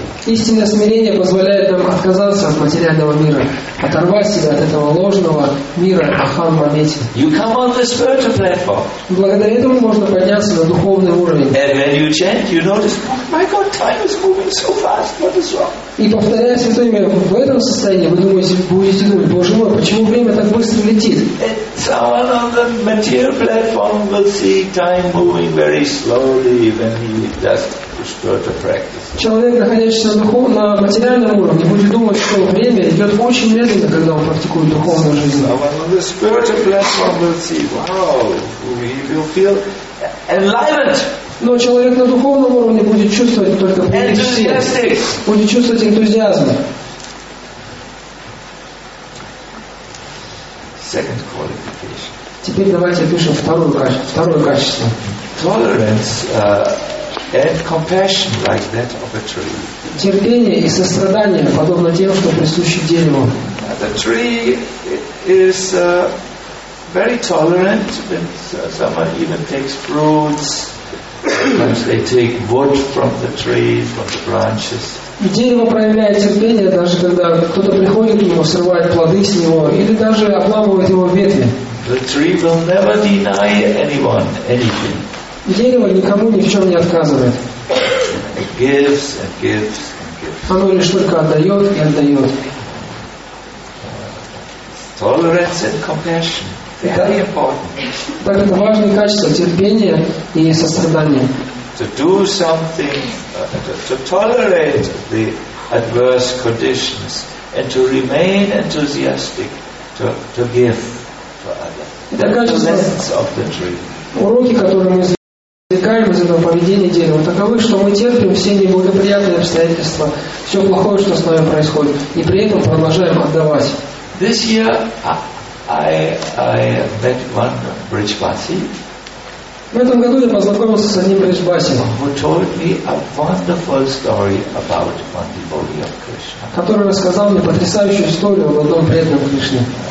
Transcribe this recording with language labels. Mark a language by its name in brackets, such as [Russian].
[Russian] Истинное смирение позволяет нам отказаться от материального мира, оторвать себя от этого ложного мира Ахаммабхати. [English] You come on the spiritual platform. [Russian] Благодаря этому можно подняться на духовный уровень. [English] And when you chant, you notice, oh my God, time is moving so fast. What is wrong? [Russian] И повторяя святой мир, в этом состоянии вы думаете, будете думать, Боже мой, почему время так быстро летит? [English] Someone on the material platform will see time moving very slowly when he does the spiritual practice. [Russian] Человек, находящийся на материальном уровне, будет думать, что время идет очень медленно, когда он практикует духовную жизнь. [English] Someone on the spiritual platform will see, wow, he will feel enlightened. [Russian] Но человек на духовном уровне будет чувствовать только энтузиазм. Будет чувствовать энтузиазм. [English] Second qualification. [Russian] Теперь давайте опишем второе качество. [English] Tolerance and compassion like that of a tree. [Russian] Терпение и сострадание подобно тем, что присущи дереву. [English] The tree is very tolerant when someone even takes fruits. Sometimes they take wood from the tree, from the branches. [Russian] Дерево проявляет терпение, даже когда кто-то приходит к нему, срывает плоды с него, или даже обламывает его ветви. [English] The tree will never deny anyone anything. [Russian] Дерево никому ни в чем не отказывает. [English] It gives and gives and gives. [Russian] Оно лишь только отдает и отдает. [English] Tolerance and compassion. [Russian] Так это важные качества терпения и сострадания. [English] To do something, to tolerate the adverse conditions and to remain enthusiastic, to give to others. The lessons of the tree. [Russian] Уроки, которые мы извлекаем из этого поведения дерева, таковы, что мы терпим все неблагоприятные обстоятельства, все плохое, что с нами происходит, и при этом продолжаем отдавать. [English] This year, I met one Brijbasi. [Russian] В этом году я познакомился с одним Брижбаси, [English] who told me a wonderful story about one devotee of Krishna. [Russian] Который рассказал мне потрясающую историю об одном преданном Кришне.